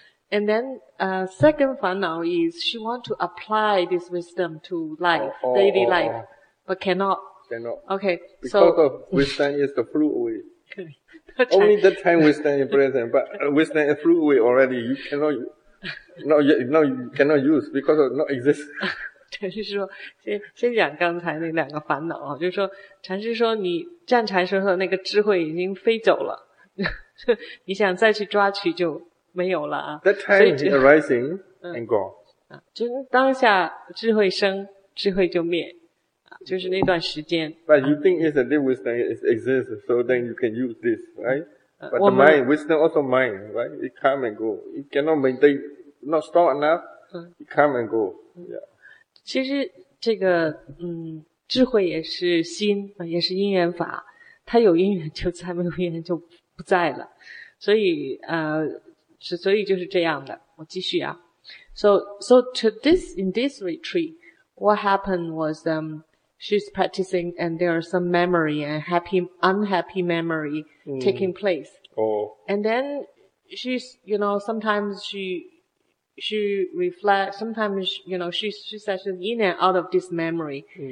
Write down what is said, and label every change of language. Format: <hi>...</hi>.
<en>And then, second 烦恼is she want to apply this wisdom to life, daily life, but cannot. Okay. Because of wisdom is the flew away. Only the time wisdom is present, but wisdom is flew away already. You cannot, you cannot use because of not exist.</en> <zh>禅师说先讲刚才那两个烦恼啊，就是说禅师说你站禅时候那个智慧已经飞走了，你想再去抓取就没有了啊。</zh> <en>That time is arising and gone.</en> <zh>就当下智慧生智慧就灭，就是那段时间。</zh> <en>But you think it's a deep wisdom, it exists, so then you can use this, right? But the mind, wisdom also mind, right? It come and go. It cannot maintain, not strong enough, it come and go. Yeah.</en> <zh>其实这个智慧也是心，也是因缘法，它有因缘就在，没有因缘就不在了，所以就是这样的。我继续啊。</zh> <en>So to this, in this retreat, what happened was she's practicing and there are some memory and happy, unhappy memory taking place. And then she's, you know, sometimes she reflect, sometimes, you know, she's actually in and out of this memory.</en>